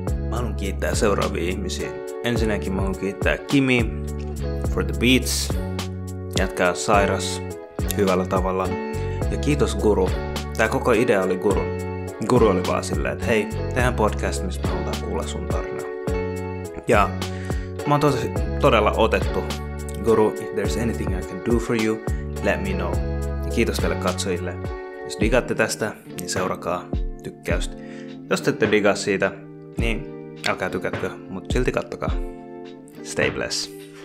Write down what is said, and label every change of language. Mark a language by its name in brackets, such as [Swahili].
[Finnish] Mä haluan kiittää seuraavia ihmisiä. Ensinnäkin mä haluan kiittää Kimi [English] for the beats. [Finnish] Jätkää sairas hyvällä tavalla. Ja kiitos Guru. Tää koko idea oli Guru. Guru oli vaan silleen, että hei, tehdään podcast, missä me halutaan kuulla sun tarinaa. Ja mä oon todella otettu. [English] Guru, if there's anything I can do for you, let me know. [Finnish] Ja kiitos teille katsojille. Jos digatte tästä, niin seurakaa tykkäystä. Jos te ette digaa siitä, niin älkää tykätkö, mutta silti kattokaa. [English] Stay blessed.